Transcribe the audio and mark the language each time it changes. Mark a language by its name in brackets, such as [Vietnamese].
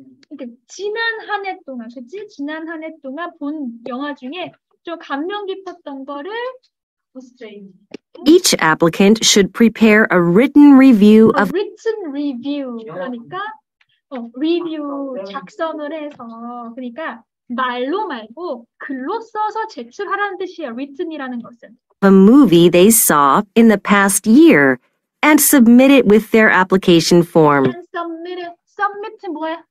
[Korean] 그러니까 지난 한 해 동안, 그지? 지난 한 해 동안 본 영화 중에 좀 감명 깊었던 거를 [English] Each applicant should prepare a written review of a written review [Korean] 그러니까 review 작성을 해서 그러니까 말로 말고 글로 써서 제출하라는 뜻이야 written이라는 것은 [English] A movie they saw in the past year and submit it with their application form and submit it submit [Korean] 뭐야?